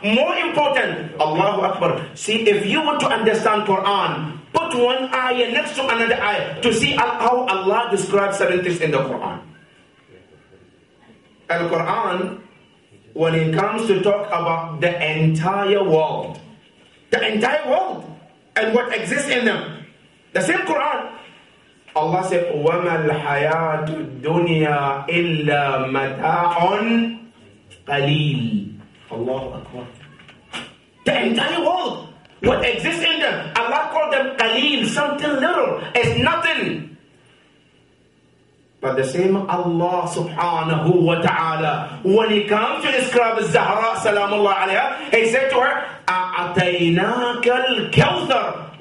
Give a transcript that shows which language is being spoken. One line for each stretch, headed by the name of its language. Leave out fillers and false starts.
English: More important, Allahu Akbar. See, if you want to understand Quran, put one ayah next to another ayah to see how Allah describes certain things in the Quran. Al-Quran, when it comes to talk about the entire world, the entire world and what exists in them. The same Quran, Allah said,
Arabic: وَمَا الْحَيَاةُ الدُّنْيَا إِلَّا مَتَاعٌ قَلِيلٌ. Allahu Akbar.
English: The entire world, what exists in them, Allah called them qaleel, something little, it's nothing. But the same Allah subhanahu wa ta'ala, when he comes to describe Zahra salamullah alayha, he said to her,
Arabic: أَعْتَيْنَاكَ الْكَوْثَرِ.